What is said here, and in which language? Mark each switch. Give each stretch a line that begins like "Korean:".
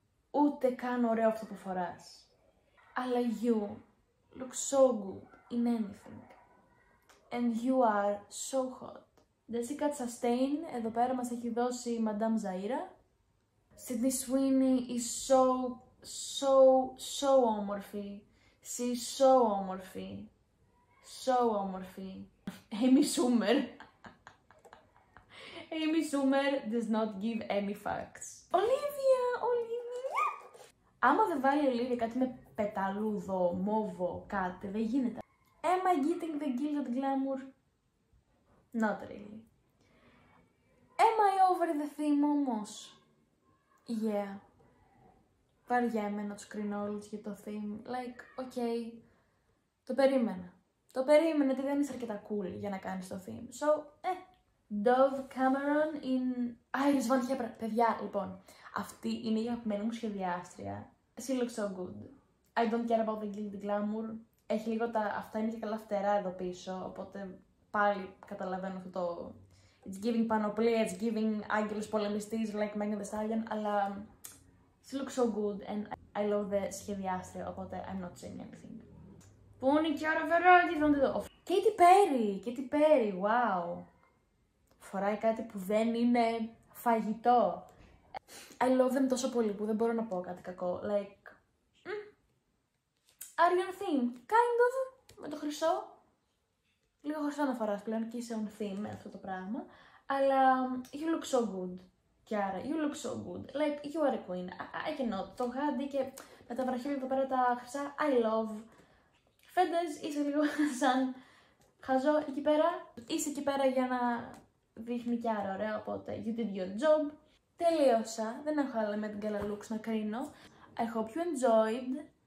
Greek: Ούτε καν ωραίο αυτό που φοράς. Αλλά
English: you look so good in anything. And you are so hot.
Greek: Jessica Chastain, εδώ πέρα μας έχει δώσει η Madame Zaira.
English: Sydney Sweeney is so, so, so
Greek: όμορφη.
English: She is so
Greek: όμορφη.
English: So όμορφη. Amy Schumer. Amy Schumer does not give any fucks. Olivia, Olivia.
Greek: Άμα δεν βάλει η Olivia κάτι με πεταλούδο, μόβο, κάτι, δεν γίνεται.
English: Am I getting the Gilded Glamour? Not really. Am I over the theme
Greek: όμως?
English: Yeah.
Greek: Βαριέμαι να τους κρίνω όλους για το theme.
English: Like, okay.
Greek: Το περίμενα. Το περίμενα ότι δεν είσαι αρκετά cool για να κάνεις το theme. So, Dove Cameron in Iris Van Heppra. Παιδιά, λοιπόν. Αυτή είναι η αγαπημένη μου σχεδιάστρια.
English: She looks so good. I don't care about the Gilded Glamour.
Greek: Έχει λίγο τα... Αυτά είναι και καλά φτερά εδώ πίσω. Οπότε πάλι καταλαβαίνω αυτό το...
English: It's giving
Greek: πανοπλία,
English: it's giving
Greek: άγγελος πολεμιστής,
English: like Megan Thee Stallion,
Greek: αλλά
English: she looks so good and I love the
Greek: σχεδιάστρια, οπότε
English: I'm not saying anything.
Greek: Πού είναι η Κιάρα Βερόνικα, δεν το δω. Katy Perry, Katy Perry, wow. Φοράει κάτι που δεν είναι φαγητό.
English: I love them
Greek: τόσο πολύ που δεν μπορώ να πω κάτι κακό, like...
English: Are you on theme? Kind of,
Greek: με το χρυσό. Λίγο χωρίς να φοράς πλέον και είσαι on theme με αυτό το πράγμα. Αλλά
English: you look so good, Κιάρα. You look so good. Like, you are a queen. I cannot.
Greek: Το γάντι και με τα βραχίλια εδώ πέρα τα χρυσά.
English: I love.
Greek: Φέντες, είσαι λίγο σαν χαζό εκεί πέρα. Είσαι εκεί πέρα για να δείχνει Κιάρα ωραία, οπότε
English: you did your job.
Greek: Τελείωσα. Δεν έχω άλλα με την καλά looks να κρίνω.
English: I hope you enjoyed.